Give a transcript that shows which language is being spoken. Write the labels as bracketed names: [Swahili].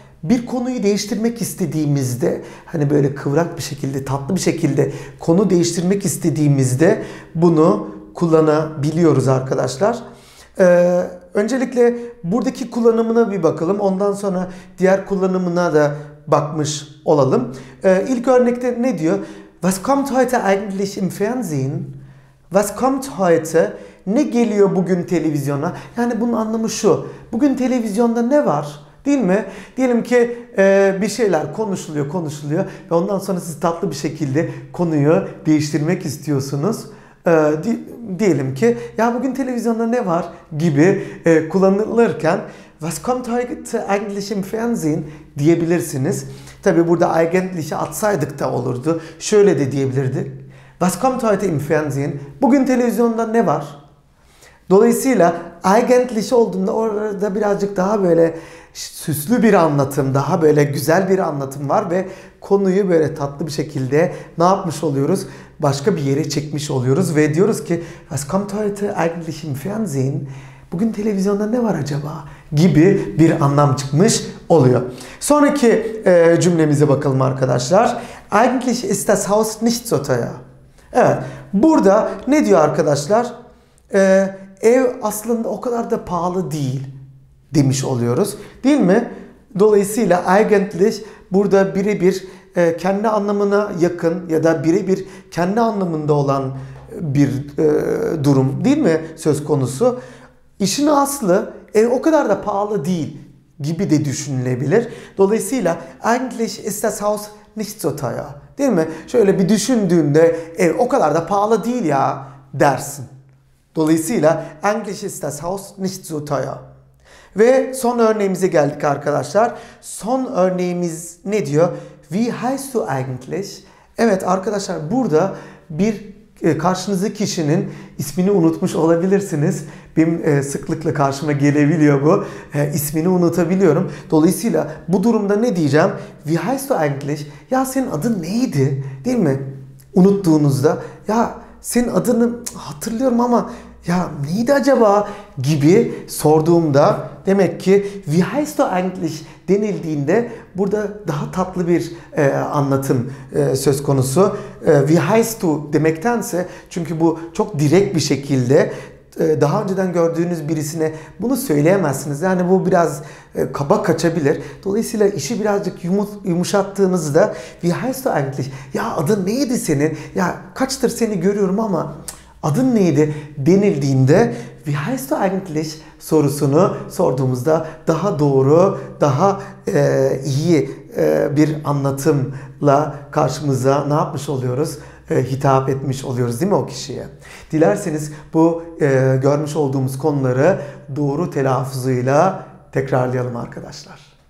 [Turkish] Bir konuyu değiştirmek istediğimizde hani böyle kıvrak bir şekilde tatlı bir şekilde konu değiştirmek istediğimizde bunu kullanabiliyoruz arkadaşlar. Öncelikle buradaki kullanımına bir bakalım. Ondan sonra diğer kullanımına da bakmış olalım. İlk örnekte ne diyor? [German] Was kommt heute eigentlich im Fernsehen? Was kommt heute? [Turkish] Ne geliyor bugün televizyona? Yani bunun anlamı şu. Bugün televizyonda ne var? Değil mi? Diyelim ki bir şeyler konuşuluyor ve ondan sonra siz tatlı bir şekilde konuyu değiştirmek istiyorsunuz. Diyelim ki ya bugün televizyonda ne var gibi kullanılırken [German] Was kommt heute eigentlich im Fernsehen [Turkish] diyebilirsiniz. Tabii burada eigentlich'i atsaydık da olurdu. Şöyle de diyebilirdik. [German] Was kommt heute im Fernsehen? [Turkish] Bugün televizyonda ne var? Dolayısıyla eigentlich olduğunda orada birazcık daha böyle süslü bir anlatım, daha böyle güzel bir anlatım var ve konuyu böyle tatlı bir şekilde ne yapmış oluyoruz? Başka bir yere çekmiş oluyoruz ve diyoruz ki [German] Was kommt heute eigentlich im Fernsehen? [Turkish] Bugün televizyonda ne var acaba? Gibi bir anlam çıkmış oluyor. Sonraki cümlemize bakalım arkadaşlar. [German] Eigentlich ist das Haus nicht so teuer. [Turkish] Evet, burada ne diyor arkadaşlar? Ev aslında o kadar da pahalı değil demiş oluyoruz. Değil mi? Dolayısıyla eigentlich burada birebir kendi anlamına yakın ya da birebir kendi anlamında olan bir durum değil mi söz konusu? İşin aslı o kadar da pahalı değil gibi de düşünülebilir. Dolayısıyla [German] eigentlich ist das Haus nicht so teuer. [Turkish] Değil mi? Şöyle bir düşündüğünde o kadar da pahalı değil ya dersin. Dolayısıyla [German] eigentlich ist das Haus nicht so teuer. [Turkish] Ve son örneğimize geldik arkadaşlar. Son örneğimiz ne diyor? [German] Wie heißt du eigentlich? [Turkish] Evet arkadaşlar burada bir karşınızdaki kişinin ismini unutmuş olabilirsiniz. Benim sıklıkla karşıma gelebiliyor bu. İsmini unutabiliyorum. Dolayısıyla bu durumda ne diyeceğim? [German] Wie heißt du eigentlich? [Turkish] Ya senin adın neydi? Değil mi? Unuttuğunuzda. Ya senin adını hatırlıyorum ama ya neydi acaba? Gibi sorduğumda demek ki [German] Wie heißt du eigentlich? [Turkish] Denildiğinde burada daha tatlı bir anlatım söz konusu. [German] Wie heißt du [Turkish] demektense çünkü bu çok direkt bir şekilde daha önceden gördüğünüz birisine bunu söyleyemezsiniz. Yani bu biraz kaba kaçabilir. Dolayısıyla işi birazcık yumuşattığınızda [German] Wie heißt du eigentlich? [Turkish] Ya adın neydi senin? Ya kaçtır seni görüyorum ama adın neydi? Denildiğinde [German] Wie heißt du eigentlich? [Turkish] Sorusunu sorduğumuzda daha doğru, daha iyi bir anlatımla karşımıza ne yapmış oluyoruz? Hitap etmiş oluyoruz değil mi o kişiye? Dilerseniz bu görmüş olduğumuz konuları doğru telaffuzuyla tekrarlayalım arkadaşlar.